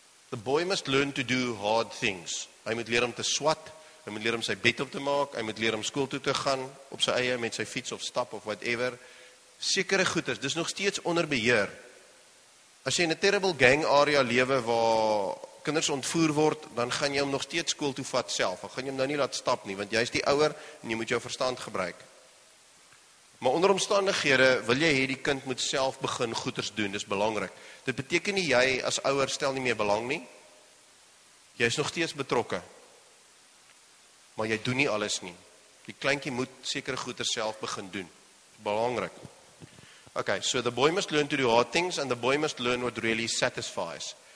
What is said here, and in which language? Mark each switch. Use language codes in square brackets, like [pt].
[en] The boy must learn to do hard things. [af] Hy moet leer om te swat, hy moet leer om sy bed op te maak, hy moet leer om skool toe te gaan, op sy eie, met sy fiets of stap of whatever. Sekere goeders, dis nog steeds onder beheer. As jy in 'n terrible gang area lewe waar kinders ontvoer word, dan gaan jy hom nog steeds skool toe vat self. Dan gaan jy hom nou nie laat stap nie, want jy is die ouer en jy moet jou verstand gebruik. Maar onder omstandighede wil jy hê die kind moet self begin goeders doen, dis belangrik. Dit beteken nie jy as ouer stel nie meer belang nie. Jy is nog steeds betrokke. Maar jy doen nie alles nie. Die kleintjie moet sekere goeders self begin doen. Belangrik. [en] Okay, so the boy must learn to do hard things and the boy must learn what really satisfies.